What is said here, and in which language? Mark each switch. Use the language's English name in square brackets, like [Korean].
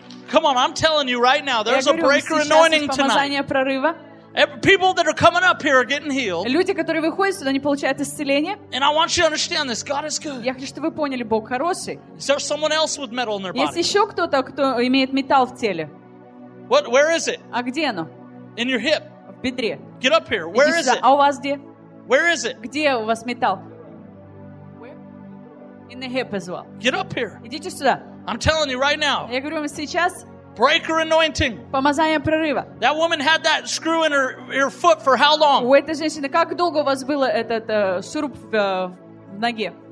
[English] Come on, I'm telling you right now, there's a breaker anointing tonight. People that are coming up here are getting healed. [Russian] Люди, которые выходят сюда, они получают исцеление. [English] And I want you to understand this, God is good. [Russian] Я хочу, чтобы вы поняли, Бог хороший. [English] Is there someone else with metal in their body? [Russian] Есть еще кто-то, кто имеет металл в теле? [English] What? Where is it? [Russian] А где оно? [English] In your hip. [Russian] В бедре. [English] Get up here. Where is it? [Russian] А у вас где? [English] Where is it? [Russian] Где у вас металл? [English] Where? In the hip as well. Get up here. [Russian] Идите сюда. [English] I'm telling you right now. [Russian] Я говорю вам сейчас. [English] Breaker anointing. [Russian] Помазание прорыва. [English] That woman had that screw in her foot for how long? [Russian] У этой женщины как долго у вас был этот шуруп в ноге?